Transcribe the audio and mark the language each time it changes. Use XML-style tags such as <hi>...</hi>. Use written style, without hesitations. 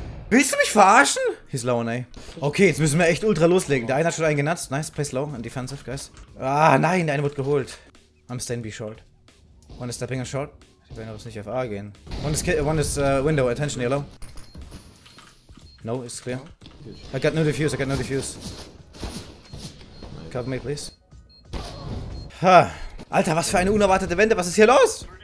<de>Willst du mich verarschen?</de> <en>He's low on A.</en> <de>Okay, jetzt müssen wir echt ultra loslegen. Der eine hat schon einen genutzt.</de> <en>Nice, play slow and defensive, guys.</en> <de>Ah, nein, der eine wurde geholt.</de> <en>I'm staying B short. One is stepping a short.</en> <de>Sie werden aber nicht auf A gehen.</de> <en>One is window, attention yellow. No, it's clear. I got no defuse, Cover me, please. Ha!</en> <de>Alter, was für eine unerwartete Wende, was ist hier los?</de>